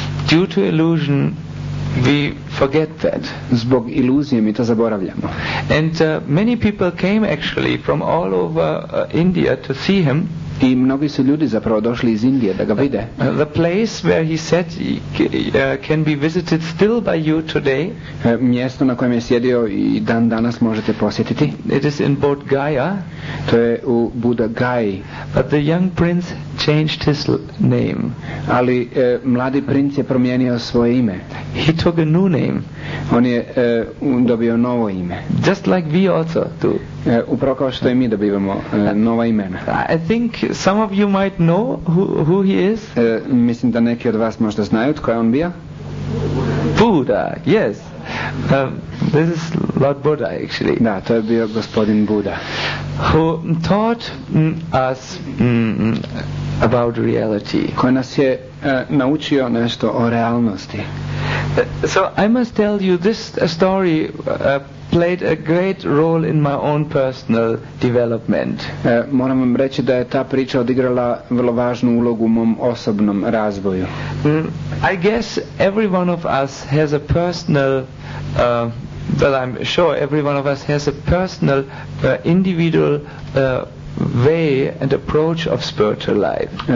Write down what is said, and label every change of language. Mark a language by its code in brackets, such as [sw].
[en] Due to illusion, we forget that. [hr] Zbog iluzije mi to zaboravljamo. [en] And many people came actually from all over India to see him. [hr] I mnogi su ljudi zapravo došli iz Indije da ga vide. [en] The place where he sat can be visited still by you today. [hr] Mjesto na kojem je sjedio i dan danas možete posjetiti. [en] It is in Bodh Gaya. [hr] To je u Buddha Gaya. [en] But the young prince changed his name. [hr] Ali mladi princ je promijenio svoje ime. [en] He took a new name. [hr] On je dobio novo ime. [en] Just like we also do. [hr] Upravo kao što i mi dobivamo nova imena. [en] I think some of you might know who he is. [hr] Mislim da neki od vas možda znaju tko je on bio. [en] Buddha, yes. This is Lord Buddha actually. [hr] Da, to je bio gospodin Buddha. [en] Who taught us about reality. [hr] Koji nas je naučio nešto o realnosti. [en] So I must tell you this story played a great role in my own personal development. [hr] Moram vam reći da je ta priča odigrala vrlo važnu ulogu u mom osobnom razvoju. [en] I guess every one of us has a personal I'm sure every one of us has a personal individual way and approach of spiritual life.